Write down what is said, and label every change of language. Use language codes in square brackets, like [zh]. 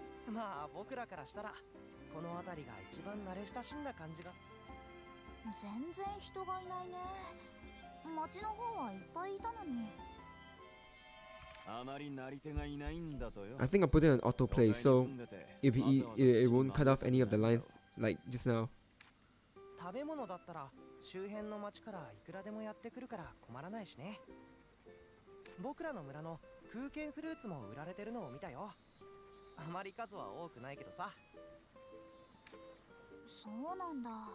[ja] まあ僕らからしたらこの辺りが一番慣れ親しんだ感じが。全然人がいないね。街の方はいっぱいいたのに。あまりなり手がいないんだとよ。 [en] I think I put it on auto play, so it won't cut off any of the lines like just now. [ja] 食べ物だったら周辺の街からいくらでもやってくるから困らないしね。僕らの村の空間フルーツも売られてるのを見たよ。あまり数は多くないけどさ。そうなんだ。